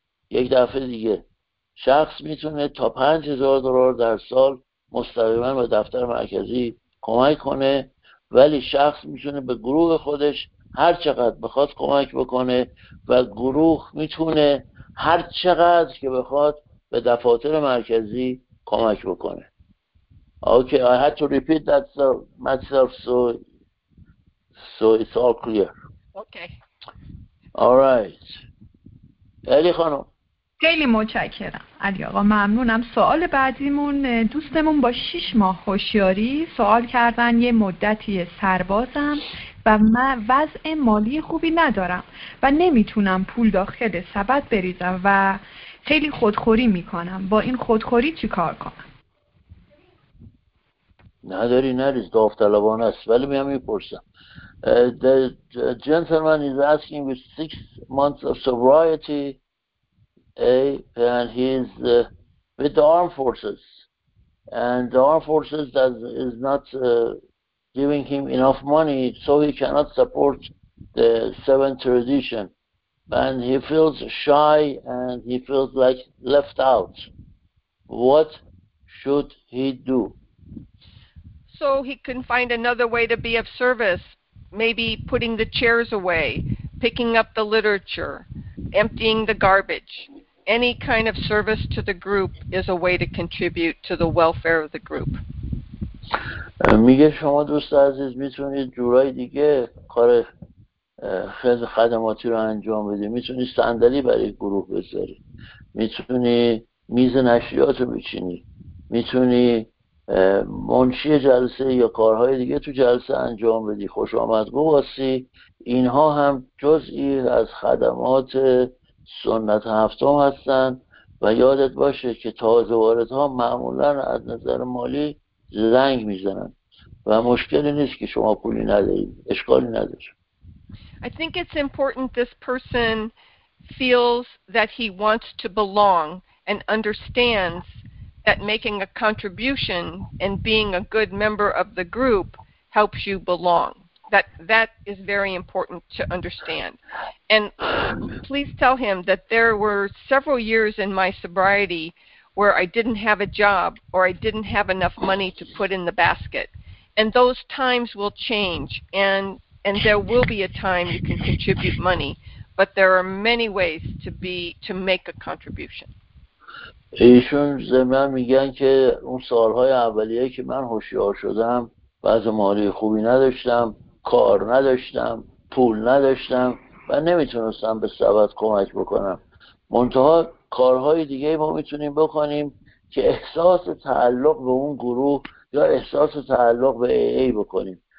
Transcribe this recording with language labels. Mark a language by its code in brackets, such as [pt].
[fa] یک دفعه دیگه شخص میتونه تا 5,000 دلار در سال مستقیما به دفتر مرکزی کمک کنه، ولی شخص میتونه به گروه خودش هر چقدر بخواد کمک بکنه و گروه میتونه هر چقدر که بخواد به دفاتر مرکزی کمک بکنه. [en] Okay, I had to repeat that myself so it's all clear. Okay. All right. علی خانم. [fa] خیلی متشکرم. علی آقا ممنونم. سوال بعدیمون دوستمون با 6 ماه هوشیاری سوال کردن، یه مدتی سربازم و من وضع مالی خوبی ندارم و نمیتونم پول داخل سبد بریزم و خیلی خودخوری میکنم. با این خودخوری چی کار کنم؟ نداری نریز، داوطلبانه است. ولی میام میپرسم. [en] The gentleman is asking with 6 months of sobriety and he is with the armed forces and the armed forces does is not giving him enough money so he cannot support the seventh tradition and he feels shy and he feels like left out. What should he do? So he can find another way to be of service, maybe putting the chairs away, picking up the literature, emptying the garbage. Any kind of service to the group is a way to contribute to the welfare of the group. [fa] میگه شما دوست عزیز میتونید جورای دیگه کار خیلی خدماتی رو انجام بدید. میتونی صندلی برای گروه بذاری، میتونی میز نشریات رو بچینی، میتونی منشی جلسه یا کارهای دیگه تو جلسه انجام بدی، خوش آمدگو باشی. اینها هم جزئی از خدمات سنت هفتم هستن و یادت باشه که تازه واردها معمولا از نظر مالی زنگ میزنن و مشکلی نیست که شما پولی ندارید، اشکالی نداره. [en] I think it's important this person feels that he wants to belong and understands that making a contribution and being a good member of the group helps you belong. That is very important to understand. And please tell him that there were several years in my sobriety where I didn't have a job or I didn't have enough money to put in the basket. And those times will change, and there will be a time you can contribute money, but there are many ways to make a contribution. [fa] ایشون زمین میگن که اون سالهای اولیه که من هوشیار شدم بعض مالی خوبی نداشتم، کار نداشتم، پول نداشتم و نمیتونستم به سبد کمک بکنم. منتها کارهای دیگه ما میتونیم بکنیم که احساس تعلق به اون گروه یا احساس تعلق به AA بکنیم.